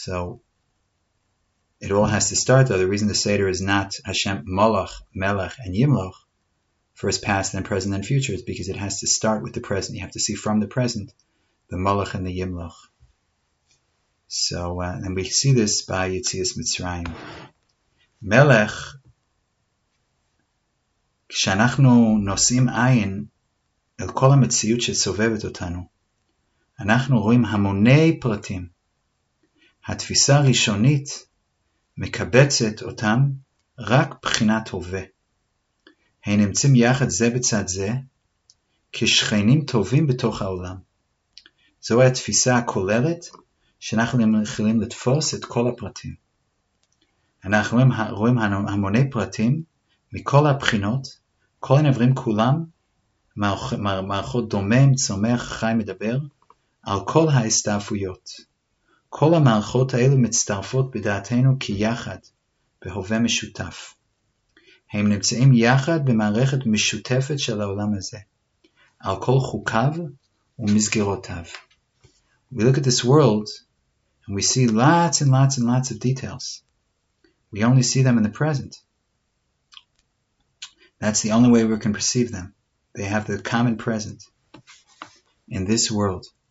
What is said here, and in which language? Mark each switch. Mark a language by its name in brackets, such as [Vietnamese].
[English] So it all has to start, though. The reason the Seder is not Hashem Moloch, Melech, and Yimloch, first past, then present, then future, is because it has to start with the present. You have to see from the present the Moloch and the Yimloch. So, and we see this by Yetzias Mitzrayim. [Hebrew] Melech, כשאנחנו נושאים עין אל כל המציאות שסובבת אותנו, אנחנו רואים המוני פרטים. התפיסה הראשונית מקבצת אותם רק בחינת הווה. הם נמצאים יחד זה בצד זה כשכנים טובים בתוך העולם. זו התפיסה הכוללת שאנחנו יכולים לתפוס את כל הפרטים. אנחנו רואים המוני פרטים מכל הבחינות, כל הנברים כולם, מערכות דומם, צומח, חי, מדבר, על כל ההסתעפויות. כל המערכות האלו מצטרפות בדעתנו כיחד, בהווה משותף. הם נמצאים יחד במערכת משותפת של העולם הזה, על כל חוקיו ומסגרותיו. [English] We look at this world and we see lots and lots and lots of details. We only see them in the present. That's the only way we can perceive them. They have the common present in this world.